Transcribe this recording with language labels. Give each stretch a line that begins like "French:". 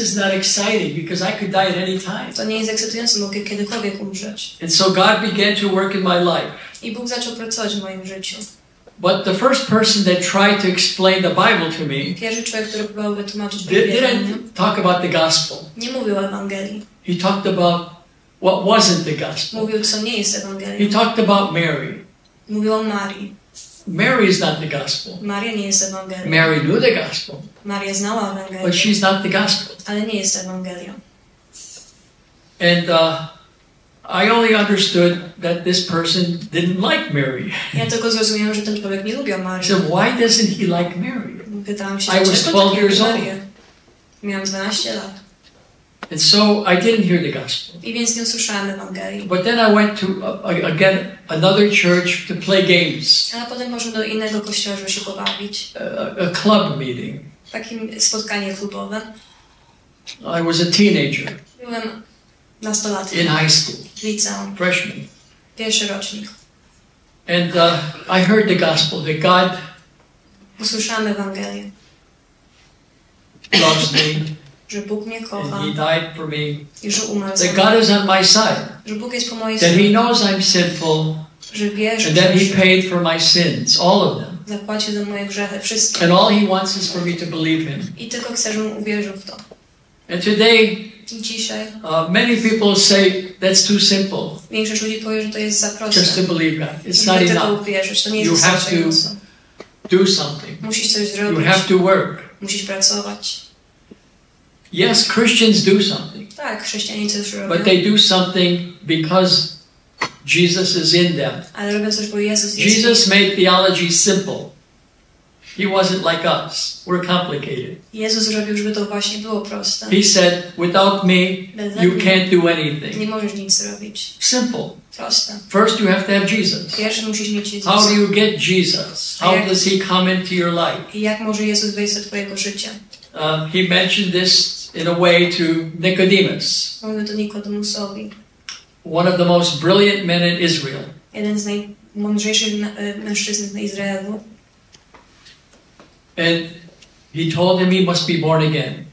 English: is not exciting because I could die at any time.
Polish: To nie jest ekscytujące, mogę kiedykolwiek umrzeć.
English: And so God began to work in my life.
Polish: I Bóg zaczął pracować w moim życiu.
English: But the first person that tried to explain the Bible to me,
Polish: pierwszy człowiek, który próbował wytłumaczyć Biblię,
English: didn't talk about the gospel.
Polish: Nie mówił o Ewangelii.
English: He talked about what wasn't the gospel.
Polish: Mówił, co nie jest Ewangelią.
English: He talked about Mary.
Polish: Mówił o Marii.
English: Mary is not the gospel.
Polish: Maria nie jest Ewangelią.
English: Mary knew the gospel.
Polish: Maria znała Ewangelię.
English: But she's not the gospel.
Polish: Ale nie jest Ewangelią.
English: And I only understood that this person didn't like Mary.
Polish: Ja tylko zrozumiałem, że ten człowiek nie lubił Marii.
English: So why doesn't he like Mary?
Polish: Pytałam się,
English: I was 12 years old.
Polish: Miałam 12 lat.
English: And so I didn't hear the gospel.
Polish: I więc nie usłyszałam Ewangelii.
English: But then I went to again another church to play games.
Polish: Ale potem poszłam do innego kościoła, żeby się pobawić.
English: A club meeting.
Polish: Takie spotkanie klubowe.
English: I was a teenager.
Polish: Byłem nastolatkiem.
English: In high school.
Polish: Liceum.
English: Freshman.
Polish: Pierwszy rocznik.
English: And I heard the gospel that God.
Polish: Usłyszałam Ewangelię.
English: Loves me.
Polish: Że Bóg mnie kocha.
English: And he died for me.
Polish: I że umarł.
English: That God is on my side.
Polish: Że Bóg jest po mojej stronie.
English: That he knows I'm sinful.
Polish: Że wie, że
English: and that he paid for my sins, all of them.
Polish: Zapłacił za moje grzechy, wszystkie.
English: And all he wants is for me to believe him.
Polish: I tylko chce, żebym uwierzył w to.
English: And today,
Polish: i dzisiaj,
English: many people say that's too simple.
Polish: Większość ludzi powie, że to jest za proste.
English: Just to believe God. It's not enough.
Polish: Tylko uwierzyć. To nie jest
English: you have to do something.
Polish: Musisz coś zrobić.
English: You have to work.
Polish: Musisz pracować.
English: Yes, Christians do something.
Polish: Tak, chrześcijanie coś robią.
English: But they do something because Jesus is in them.
Polish: Ale robią coś, bo Jezus jest.
English: Jesus made theology simple. He wasn't like us. We're complicated.
Polish: Jezus zrobił, żeby to właśnie było proste.
English: He said, without me, you can't do anything.
Polish: Nie możesz nic zrobić.
English: Simple.
Polish: Proste.
English: First you have to have Jesus.
Polish: Pierwszy musisz mieć Jezusa.
English: How do you get Jesus? How does he come into your life?
Polish: I jak może Jezus wejść do twojego życia?
English: He mentioned this in a way to Nicodemus.
Polish: Mówił to Nikodemusowi.
English: One of the most brilliant men in Israel.
Polish: Jeden z najmądrzejszych mężczyzn w Izraelu.
English: And he told him he must be born again.